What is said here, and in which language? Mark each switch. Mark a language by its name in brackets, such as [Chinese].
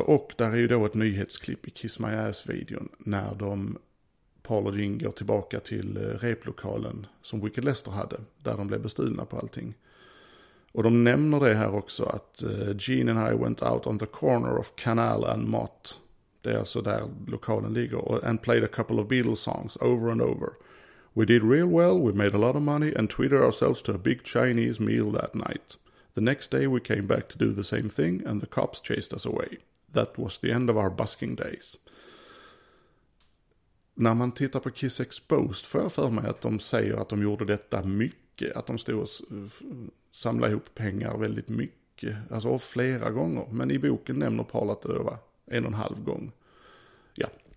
[Swedish] Och där är ju då ett nyhetsklipp i Kiss My Ass-videon när de, Paul och Jean, går tillbaka till replokalen som Wicked Lester hade, där de blev bestulna på allting. Och de nämner det här också, att [English] Jean and I went out on the corner of Canal and Mott. [Swedish] Det är alltså där lokalen ligger. [English] And played a couple of Beatles songs over and over. We did real well, we made a lot of money and treated ourselves to a big Chinese meal that night. The next day we came back to do the same thing and the cops chased us away. That was the end of our busking days. [Swedish] När man tittar på Kiss Exposed får jag för mig att de säger att de gjorde detta mycket. Att de stod och samlade ihop pengar väldigt mycket. Alltså flera gånger. Men i boken nämner Paul att det var 1,5 gång. Ja.